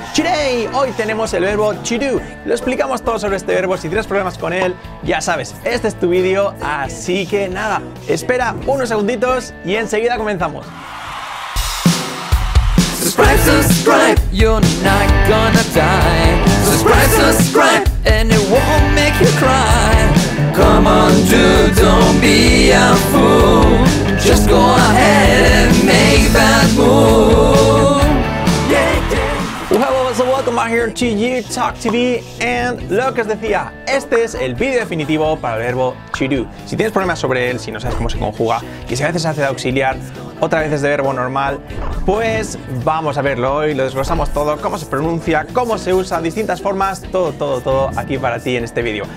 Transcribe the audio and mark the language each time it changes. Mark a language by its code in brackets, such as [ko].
[es] Today, hoy tenemos el verbo to do. Lo explicamos todo sobre este verbo. Si tienes problemas con él, ya sabes, este es tu vídeo. Así que nada, espera unos segunditos y enseguida comenzamos. [en] Subscribe, subscribe, you're not gonna die. Subscribe, subscribe, and it won't make you cry. Come on, dude, don't be a fool. Just go ahead and make that move. Yeah, yeah. Well, so welcome back here to You Talk TV. [es] And lo que os decía, este es el vídeo definitivo para el verbo to do. Si tienes problemas sobre él, si no sabes cómo se conjuga, y si a veces se hace de auxiliar, otra vez es de verbo normal, pues vamos a verlo hoy, lo desglosamos todo, cómo se pronuncia, cómo se usa, distintas formas, todo, todo, todo aquí para ti en este vídeo.